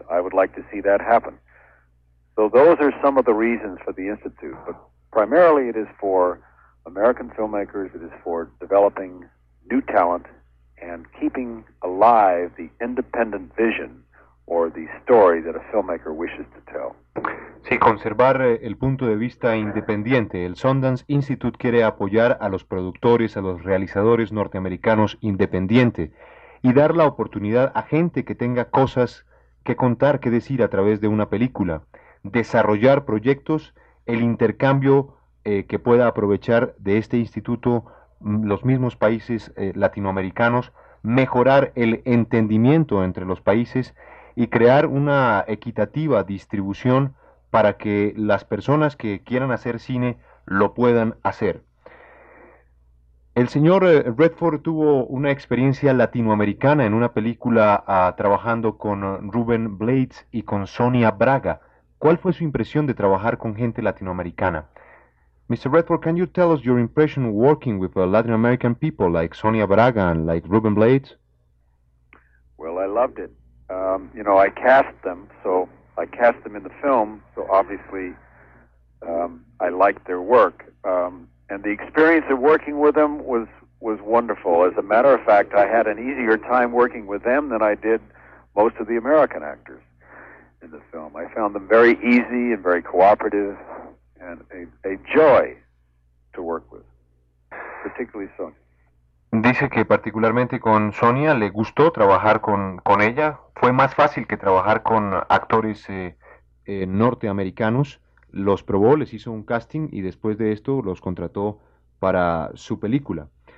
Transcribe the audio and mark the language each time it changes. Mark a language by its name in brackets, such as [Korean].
[English] I would like to see that happen. So those are some of the reasons for the Institute, but primarily it is for American filmmakers, it is for developing new talent and keeping alive the independent vision or the story that a filmmaker wishes to tell. [Spanish] Sí, conservar el punto de vista independiente. El Sundance Institute quiere apoyar a los productores, a los realizadores norteamericanos independientes y dar la oportunidad a gente que tenga cosas que contar, que decir a través de una película, desarrollar proyectos, el intercambio que pueda aprovechar de este instituto los mismos países latinoamericanos, mejorar el entendimiento entre los países y crear una equitativa distribución para que las personas que quieran hacer cine lo puedan hacer. El señor Redford tuvo una experiencia latinoamericana en una película trabajando con Ruben Blades y con Sonia Braga. ¿Cuál fue su impresión de trabajar con gente latinoamericana? [English] Mr. Redford, can you tell us your impression working with Latin American people like Sonia Braga and like Ruben Blades? Well, I loved it. You know, I cast them, so I cast them in the film, so obviously I liked their work. And the experience of working with them was wonderful. As a matter of fact, I had an easier time working with them than I did most of the American actors in the film. I found them very easy and very cooperative and a joy to work with, particularly Sonia. [Spanish] Dice que particularmente con Sonia le gustó trabajar con ella. Fue más fácil que trabajar con actores norteamericanos. Los probó, les hizo un casting y después de esto los contrató para su película.